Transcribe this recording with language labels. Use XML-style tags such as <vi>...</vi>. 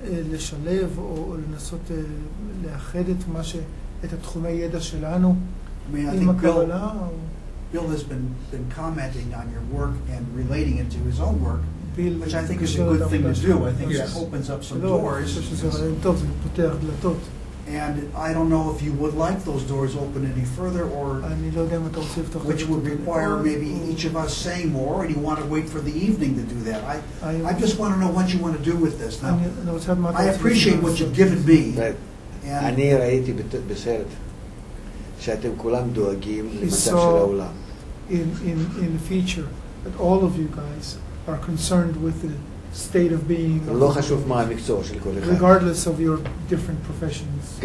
<he>לשלב או לנסות לאחד את מה ש... את התחומי ידע שלנו עם הקבלה או...</he> <en>Bill has been commenting on your work and relating it to his own work, which I think is a good thing to do. I think it opens up some doors.</en> <he>טוב, זה פותח דלתות.</he> <en>And I don't know if you would like those doors open any further or which would require maybe each of us saying more and you want to wait for the evening to do that. I just want to know what you want to do with this. Now, I appreciate what you've given me.</en> <he>אני ראיתי בסרט שאתם כולם דואגים למצב של העולם.</he> <en>In the future that all of you guys are concerned with the state of being regardless of your different professions.</en>